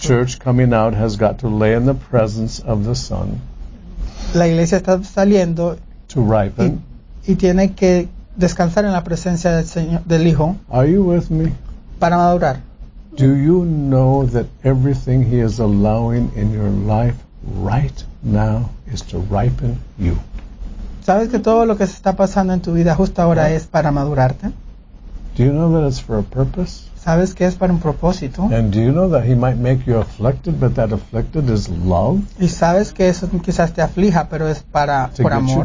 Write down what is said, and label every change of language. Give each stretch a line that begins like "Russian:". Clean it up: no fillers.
English: the church coming out has got to lay in the presence of the sun.
Spanish: La iglesia está saliendo.
English: To ripen.
Spanish: Y tiene que descansar en la presencia del Señor, del Hijo.
English: Are you with me?
Spanish: Para madurar.
English: Do you know that everything he is allowing in your life right now is to ripen you?
Spanish: ¿Sabes que todo lo que se está pasando en tu vida justo ahora es para madurarte?
English: Do you know that it's for a purpose?
Spanish: ¿Sabes que es para un propósito?
English: And do you know that he might make you afflicted, but that afflicted is love?
Spanish: ¿Y sabes que eso quizás te aflija, pero es para por amor?